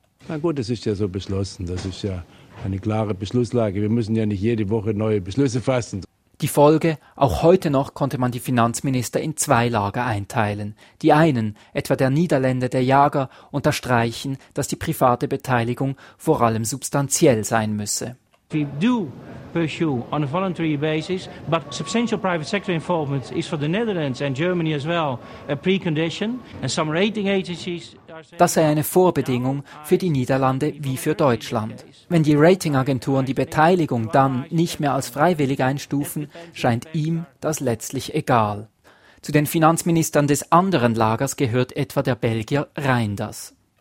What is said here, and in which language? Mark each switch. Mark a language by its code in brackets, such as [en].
[de] Na gut, es ist ja so beschlossen. Das ist ja eine klare Beschlusslage. Wir müssen ja nicht jede Woche neue Beschlüsse fassen. Die Folge, auch heute noch konnte man die Finanzminister in zwei Lager einteilen. Die einen, etwa der Niederländer, der Jager, unterstreichen, dass die private Beteiligung vor allem substanziell sein müsse. [en] We do pursue on a voluntary basis, but substantial private sector involvement is for the Netherlands and Germany as well a precondition. And some rating agencies are saying, [de] das sei eine Vorbedingung für die Niederlande wie für Deutschland. Wenn die Ratingagenturen die Beteiligung dann nicht mehr als freiwillig einstufen, scheint ihm das letztlich egal. Zu den Finanzministern des anderen Lagers gehört etwa der Belgier Reinders.